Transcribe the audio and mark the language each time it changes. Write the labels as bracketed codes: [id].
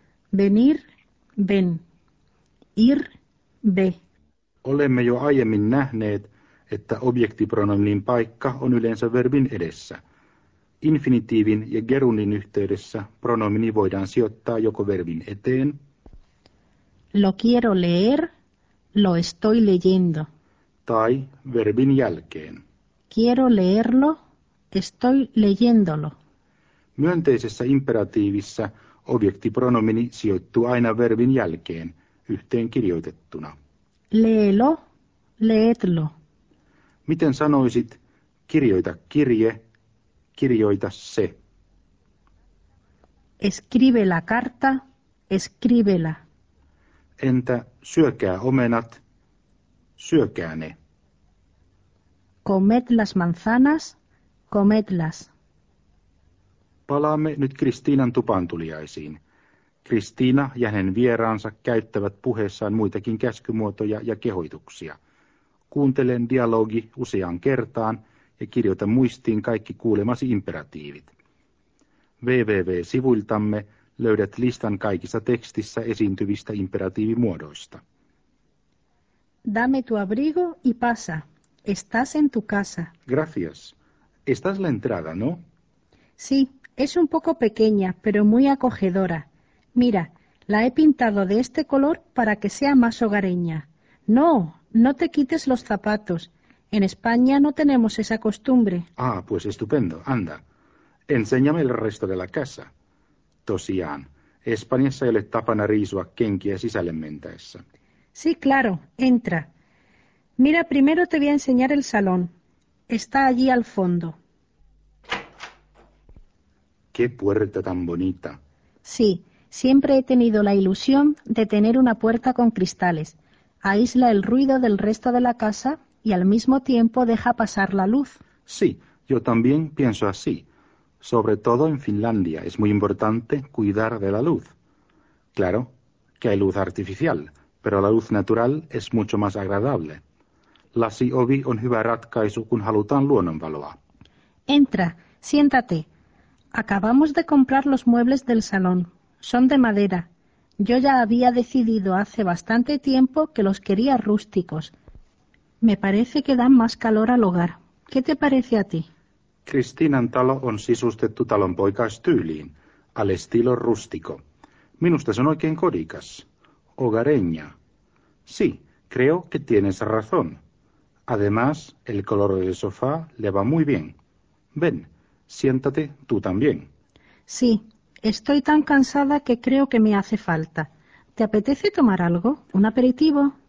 [es] Venir, ven. Ir, ve. [fi] Olemme jo aiemmin nähneet, että objektipronominin paikka on yleensä verbin edessä. Infinitiivin ja gerundin yhteydessä pronomini voidaan sijoittaa joko verbin eteen. [es] Lo quiero leer, lo estoy leyendo. [fi] Tai verbin jälkeen. [es] Quiero leerlo, estoy leyéndolo. [fi] Myönteisessä imperatiivissa objektipronomini sijoittuu aina verbin jälkeen, yhteen kirjoitettuna. [es] Léelo, léetlo. [fi] Miten sanoisit, kirjoita kirje, kirjoita se? [es] Escribe la carta, escríbela. [fi] Entä syökää omenat, syökää ne? [es] Comed las manzanas, comedlas. [fi] Palaamme nyt Kristiinan tupaantuliaisiin. Kristiina ja hänen vieraansa käyttävät puheessaan muitakin käskymuotoja ja kehoituksia. Kuuntelen dialogi useaan kertaan ja kirjoita muistiin kaikki kuulemasi imperatiivit. www.sivuiltamme löydät listan kaikissa tekstissä esiintyvistä imperatiivimuodoista. [es] Dame tu abrigo y pasa. Estás en tu casa. Gracias. Estás la entrada, ¿no? Sí, es un poco pequeña, pero muy acogedora. Mira, la he pintado de este color para que sea más hogareña. No, no te quites los zapatos. En España no tenemos esa costumbre. Ah, pues estupendo. Anda, enséñame el resto de la casa. [fi] Tosiaan, Espanjassa ei ole tapana riisua kenkiä sisälle mentäessä. [es] Sí, claro. Entra. Mira, primero te voy a enseñar el salón. Está allí al fondo. ¡Qué puerta tan bonita! Sí, siempre he tenido la ilusión de tener una puerta con cristales. Aísla el ruido del resto de la casa y al mismo tiempo deja pasar la luz. Sí, yo también pienso así. Sobre todo en Finlandia es muy importante cuidar de la luz. Claro que hay luz artificial, pero la luz natural es mucho más agradable. [fi] Lasiovi on hyvä ratkaisu, kun halutaan luonnonvaloa. [es] Entra, siéntate. Acabamos de comprar los muebles del salón. Son de madera. Yo ya había decidido hace bastante tiempo que los quería rústicos. Me parece que dan más calor al hogar. ¿Qué te parece a ti? [fi] Kristiinan talo on sisustettu talonpoikaistyyliin, [es] al estilo rústico. [fi] Minusta se on oikein kodikas. [es] Hogareña. Sí, creo que tienes razón. Además, el color del sofá le va muy bien. Ven, siéntate tú también. Sí, estoy tan cansada que creo que me hace falta. ¿Te apetece tomar algo? ¿Un aperitivo?